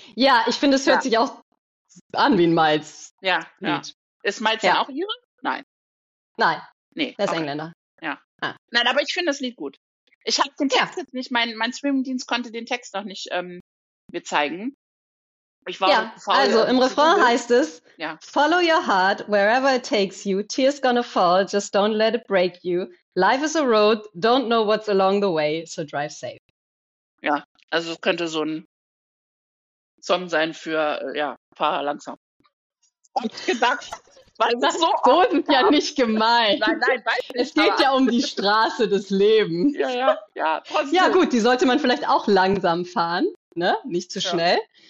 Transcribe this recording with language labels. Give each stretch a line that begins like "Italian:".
German: Ja, ich finde, es hört sich auch an wie ein Miles-Lied. Ja, ja. Ist Miles ja auch Ihre? Nein. Nein. Nee. Der ist Engländer. Ja. Ah. Nein, aber ich finde das Lied gut. Ich habe den Text jetzt nicht, mein Streamingdienst konnte den Text noch nicht mir zeigen. Ich war im Refrain heißt es, ja,
English: follow your heart wherever it takes you, tears gonna fall, just don't let it break you. Life is a road, don't know what's along the way, so drive safe.
German: Ja, also es könnte so ein Song sein für, ja, fahr langsam. Und gedacht, weil das so ist. So sind ja nicht gemeint. Nein, nein, weiß nicht. Es geht ja um die Straße des Lebens. Ja, ja, ja. Trotzdem. Ja, gut, die sollte man vielleicht auch langsam fahren, ne? Nicht zu schnell.